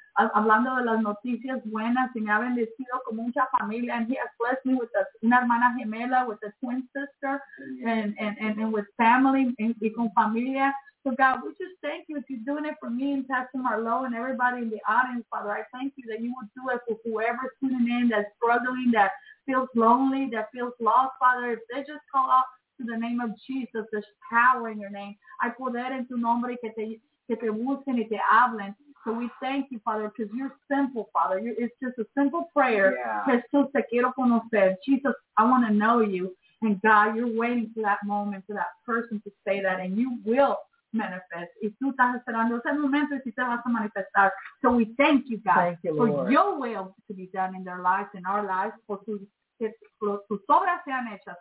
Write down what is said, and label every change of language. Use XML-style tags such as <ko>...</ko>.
<es>Hablando de las noticias buenas, y me ha bendecido con mucha familia,</es> <en>and he has blessed me with</en> <es>una hermana gemela,</es> <en>with a twin sister, and with family,</en> <es>y con familia.</es> <en>So God, we just thank you if you're doing it for me and Pastor Marlowe and everybody in the audience, Father. I thank you that you would do it for whoever's tuning in that's struggling, that feels lonely, that feels lost, Father. If they just call out to the name of Jesus, there's power in your name.</en> <es>Hay poder en tu nombre que te busquen y te hablen.</es> <en>So we thank you, Father, because you're simple, Father. It's just a simple prayer.</en> <es>Jesús, te quiero conocer.</es> <en>Jesus, I want to know you. And God, you're waiting for that moment, for that person to say that, and you will manifest.</en> <es>Y tú estás esperando ese momento y te vas a manifestar.</es> <en>So we thank you, God, thank you, for your will to be done in their lives, in our lives, for</en> <es>tus obras sean hechas.</es>